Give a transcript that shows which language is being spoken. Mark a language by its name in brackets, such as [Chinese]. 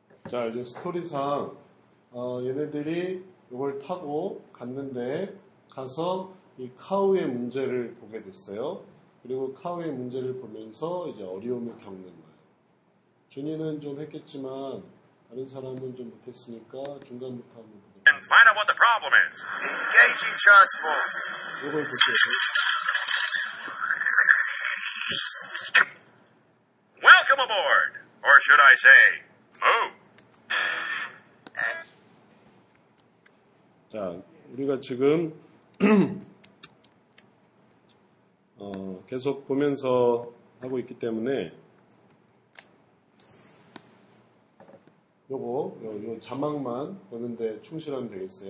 [Korean] 자, 이제 스토리상 얘네들이 이걸 타고 갔는데 가서 이 카우의 문제를 보게 됐어요. 그리고 카우의 문제를 보면서 이제 어려움을 겪는 거예요. 준이는 좀 했겠지만 다른 사람은 좀 못했으니까 중간부터 한번 보고. [English] And find out what the problem is. Engaging transport. [Korean] 이걸 보세요. [English] Welcome aboard. Or should I say, move. [Korean] 자, 우리가 지금 계속 보면서 하고 있기 때문에 요거 자막만 보는데 충실하면 되겠어요.